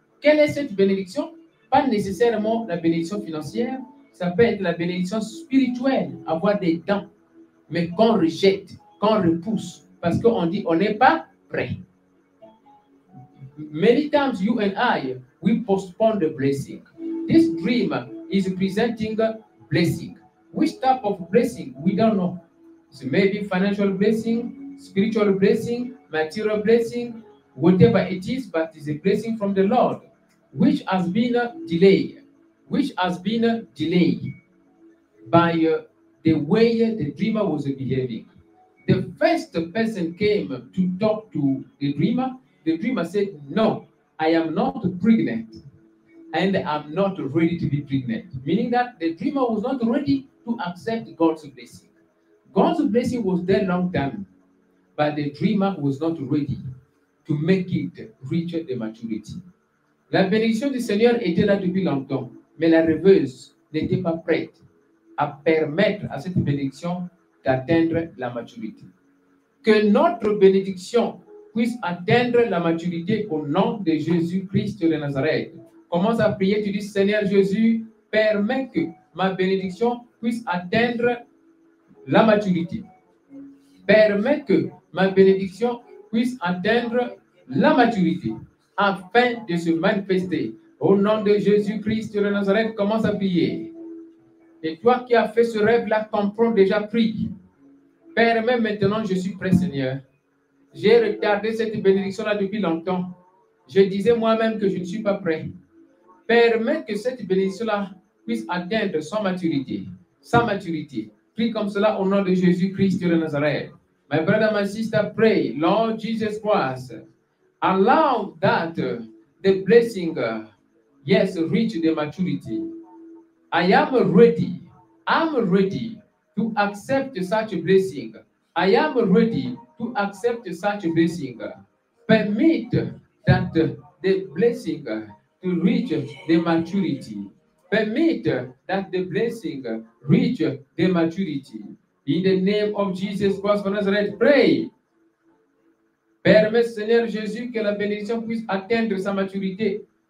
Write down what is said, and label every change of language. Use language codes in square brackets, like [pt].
[fr] Quelle est cette bénédiction? Pas nécessairement la bénédiction financière. Ça peut être la bénédiction spirituelle, avoir des dents, mais qu'on rejette, qu'on repousse, parce qu'on dit on n'est pas prêt. [en] Many times you and I, we postpone the blessing. this dream is presenting a blessing. Which type of blessing? We don't know. So maybe financial blessing, spiritual blessing, material blessing, whatever it is, but it's a blessing from the Lord, which has been delayed, which has been delayed by the way the dreamer was behaving. The first person came to talk to the dreamer said, no, I am not pregnant, and I'm not ready to be pregnant, meaning that the dreamer was not ready to accept God's blessing. God's blessing was there long time, but the dreamer was not ready to make it reach the maturity. [fr] La bénédiction du Seigneur était là depuis longtemps, mais la rêveuse n'était pas prête à permettre à cette bénédiction d'atteindre la maturité. Que notre bénédiction puisse atteindre la maturité au nom de Jésus-Christ de Nazareth. Commence à prier, tu dis, Seigneur Jésus, permets que ma bénédiction puisse atteindre la maturité. Permets que ma bénédiction puisse atteindre la maturité afin de se manifester. Au nom de Jésus-Christ de Nazareth, commence à prier. Et toi qui as fait ce rêve-là, comprends déjà, prie. Permets maintenant, je suis prêt, Seigneur. J'ai retardé cette bénédiction-là depuis longtemps. Je disais moi-même que je ne suis pas prêt. Permets que cette bénédiction-là puisse atteindre sa maturité. Sa maturité. Prie comme cela au nom de Jésus-Christ de Nazareth. [en] My brother, my sister, pray, Lord Jesus Christ, allow that the blessing, yes, reach the maturity. I am ready. I'm ready to accept such a blessing. I am ready to accept such a blessing. Permit that the blessing to reach the maturity. Permit that the blessing reach the maturity. In the name of Jesus Christ of Nazareth, pray. [fr] Permet, Seigneur Jésus, que la bénédiction puisse atteindre sa maturité.